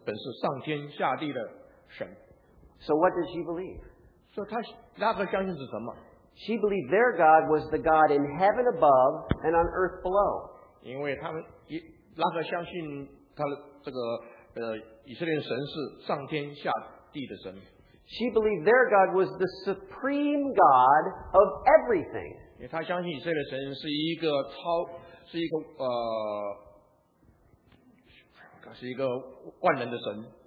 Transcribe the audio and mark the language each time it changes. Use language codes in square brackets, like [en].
[zh] 他这样说的，我们一听见这件事，心就消化了。因你们的缘故，并无一人有胆量。耶和华是你们的神，本是上天下地的神。 [en] So what did she believe? [zh] 所以他拉合相信是什么？ [en] She believed their God was the God in heaven above and on earth below. [zh] 因为他们拉合相信他的这个以色列神是上天下地的神。 [en] She believed their God was the supreme God of everything. [zh] 因为他相信以色列神是一个万能的神。